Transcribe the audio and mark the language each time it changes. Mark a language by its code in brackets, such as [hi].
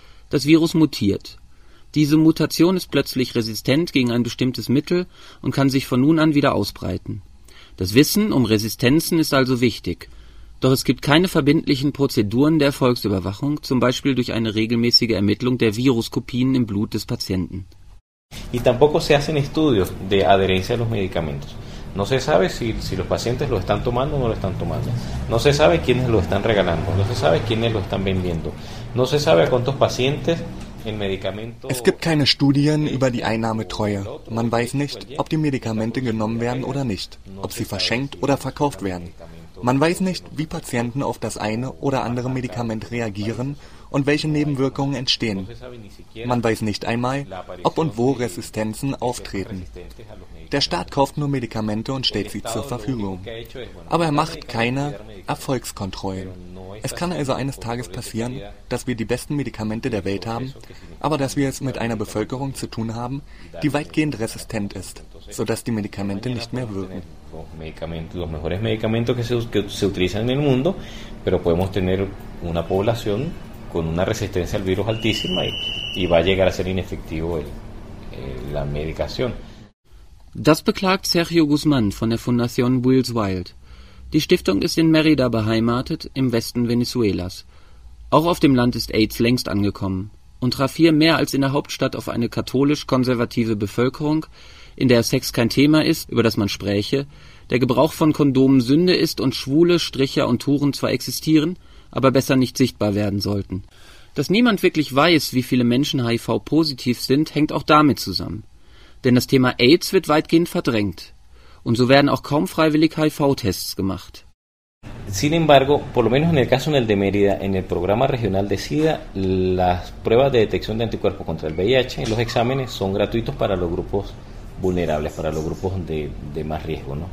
[de] Das Virus mutiert. Diese Mutation ist plötzlich resistent gegen ein bestimmtes Mittel und kann sich von nun an wieder ausbreiten. Das Wissen um Resistenzen ist also wichtig. Doch es gibt keine verbindlichen Prozeduren der Erfolgsüberwachung, zum Beispiel durch eine regelmäßige Ermittlung der Viruskopien im Blut des Patienten. [es] Y tampoco se hacen estudios de adherencia a los medicamentos. No se sabe si los pacientes lo están tomando o no lo están tomando. No se sabe quiénes lo están regalando. No se sabe quiénes lo están vendiendo. No se sabe a cuántos pacientes el medicamento. [de] Es gibt keine Studien über die Einnahmetreue. Man weiß nicht, ob die Medikamente genommen werden oder nicht, ob sie verschenkt oder verkauft werden. Man weiß nicht, wie Patienten auf das eine oder andere Medikament reagieren und welche Nebenwirkungen entstehen. Man weiß nicht einmal, ob und wo Resistenzen auftreten. Der Staat kauft nur Medikamente und stellt sie zur Verfügung. Aber er macht keine Erfolgskontrollen. Es kann also eines Tages passieren, dass wir die besten Medikamente der Welt haben, aber dass wir es mit einer Bevölkerung zu tun haben, die weitgehend resistent ist, sodass die Medikamente nicht mehr wirken. [es] Los mejores medicamentos que se utilizan en el mundo, pero podemos tener una población con una resistencia al virus altísima y va a llegar a ser inefectivo la medicación. [de] Das beklagt Sergio Guzmán von der Fundación Wills Wild. Die Stiftung ist in Mérida beheimatet, im Westen Venezuelas. Auch auf dem Land ist AIDS längst angekommen und traf hier mehr als in der Hauptstadt auf eine katholisch-konservative Bevölkerung, in der Sex kein Thema ist, über das man spräche, der Gebrauch von Kondomen Sünde ist und Schwule, Stricher und Huren zwar existieren, aber besser nicht sichtbar werden sollten. Dass niemand wirklich weiß, wie viele Menschen HIV-positiv sind, hängt auch damit zusammen. Denn das Thema AIDS wird weitgehend verdrängt. Und so werden auch kaum freiwillig HIV-Tests gemacht. [es] Sin embargo, por lo menos en el caso de Mérida, en el programa regional de SIDA, las pruebas de detección de anticuerpos contra el VIH, los exámenes son gratuitos para los grupos vulnerables, para los grupos de más riesgo, ¿no?